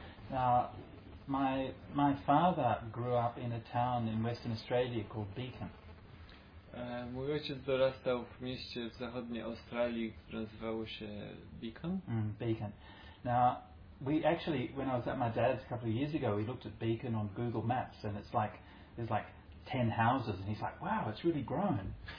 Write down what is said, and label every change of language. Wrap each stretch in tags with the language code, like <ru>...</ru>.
<en>Now, my father grew up in a town in Western Australia called Beacon.</en> <pl>Mój ojciec dorastał w mieście w zachodniej Australii, które nazywało się Beacon.</pl> <en>Beacon. Now, we actually, when I was at my dad's a couple of years ago, we looked at Beacon on Google Maps, and it's like, there's like 10 houses, and he's like, wow, it's really grown.</en>